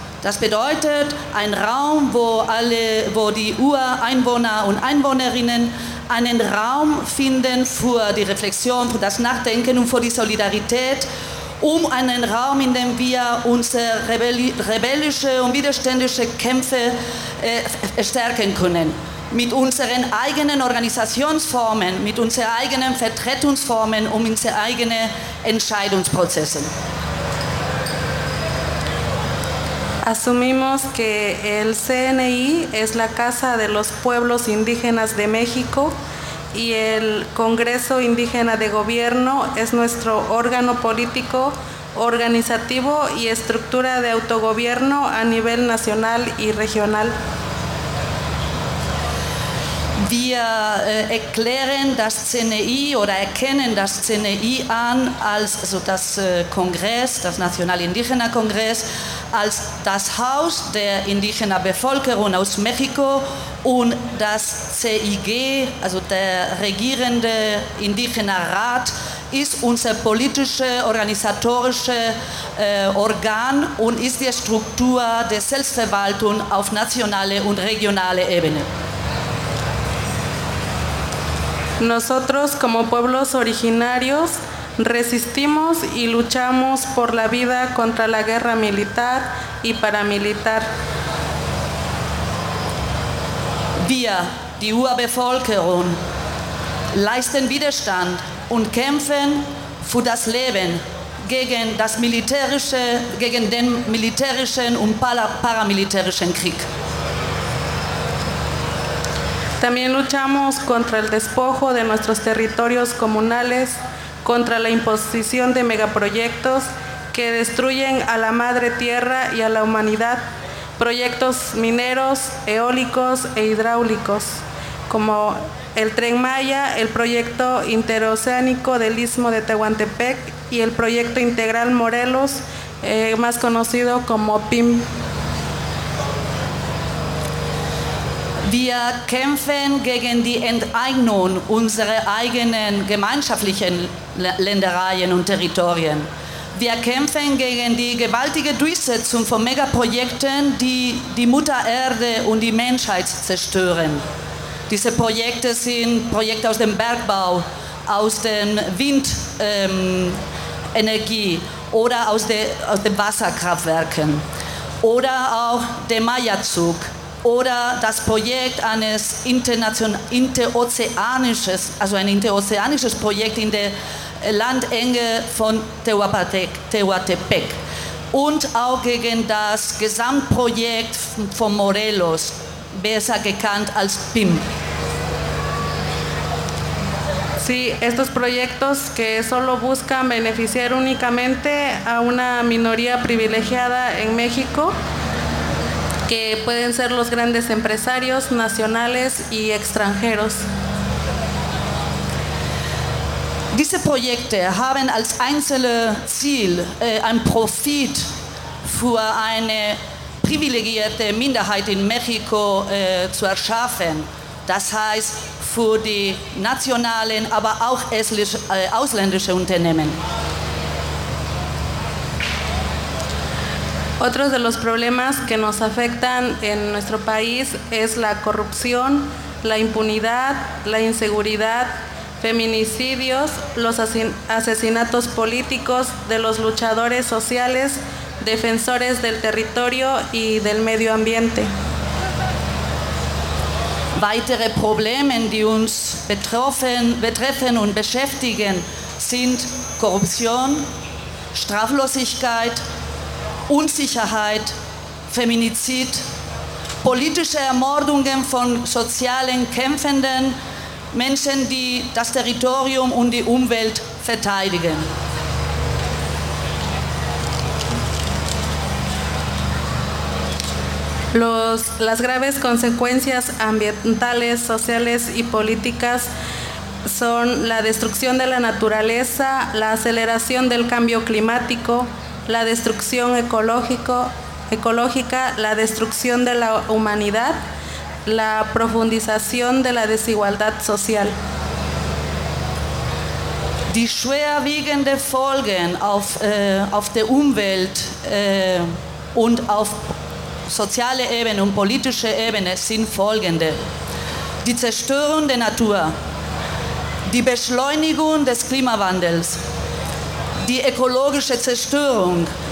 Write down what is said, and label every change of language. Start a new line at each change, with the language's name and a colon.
German: Das bedeutet, ein Raum, wo die Ureinwohner und Einwohnerinnen einen Raum finden für die Reflexion, für das Nachdenken und für die Solidarität, um einen Raum, in dem wir unsere rebellische und widerständische Kämpfe stärken können. Mit unseren eigenen Organisationsformen, mit unseren eigenen Vertretungsformen und unseren eigenen Entscheidungsprozessen.
Spanish: Asumimos que el CNI es la casa de los pueblos indígenas de México y el Congreso Indígena de Gobierno es nuestro órgano político, organizativo y estructura de autogobierno a nivel nacional y regional.
German: Wir erklären das CNI oder erkennen das CNI an als also das Kongress, das National Indigena Kongress, als das Haus der indigenen Bevölkerung aus Mexiko und das CIG, also der regierende indigene Rat, ist unser politisches, organisatorisches Organ und ist die Struktur der Selbstverwaltung auf nationaler und regionaler Ebene.
Spanish: Nosotros, como pueblos originarios, Resistimos y luchamos por la vida contra la guerra militar y paramilitar.
German: Wir, die UA-Bevölkerung, leisten Widerstand und kämpfen für das Leben gegen das militärische, gegen den militärischen und paramilitärischen Krieg.
Spanish: También luchamos contra el despojo de nuestros territorios comunales, contra la imposición de megaproyectos que destruyen a la madre tierra y a la humanidad, proyectos mineros, eólicos e hidráulicos, como el Tren Maya, el proyecto interoceánico del Istmo de Tehuantepec y el proyecto integral Morelos, más conocido como PIM.
German: Wir kämpfen gegen die Enteignung unserer eigenen gemeinschaftlichen Ländereien und Territorien. Wir kämpfen gegen die gewaltige Durchsetzung von Megaprojekten, die die Mutter Erde und die Menschheit zerstören. Diese Projekte sind Projekte aus dem Bergbau, aus der Windenergie oder aus den Wasserkraftwerken oder auch der Maya-Zug. Oder das Projekt eines interozeanisches, also ein interozeanisches Projekt in der Landenge von Tehuantepec. Und auch gegen das Gesamtprojekt von Morelos, besser gekannt als PIM.
Spanish: Sí, estos proyectos que solo buscan beneficiar únicamente a una minoría privilegiada en México, que pueden ser los grandes empresarios nacionales y extranjeros.
German: Diese Projekte haben als einzelne Ziel ein Profit für eine privilegierte Minderheit in Mexiko zu erschaffen. Das heißt für die nationalen, aber auch ausländische Unternehmen.
Spanish: Otros de los problemas que nos afectan en nuestro país es la corrupción, la impunidad, la inseguridad, feminicidios, los asesinatos políticos de los luchadores sociales, defensores del territorio y del medio ambiente.
German: Weitere Probleme, die uns betreffen und beschäftigen, sind Korruption, Straflosigkeit, Unsicherheit, Feminizid, politische Ermordungen von sozialen Kämpfenden, Menschen, die das Territorium und die Umwelt verteidigen.
Spanish: Las graves consecuencias ambientales, sociales y políticas son la destrucción de la naturaleza, la aceleración del cambio climático, la destrucción ecológica, la destrucción de la humanidad, la profundización de la desigualdad social.
German: Die schwerwiegenden Folgen auf der Umwelt und auf soziale Ebene und politische Ebene sind folgende: die Zerstörung der Natur, die Beschleunigung des Klimawandels, die ökologische Zerstörung,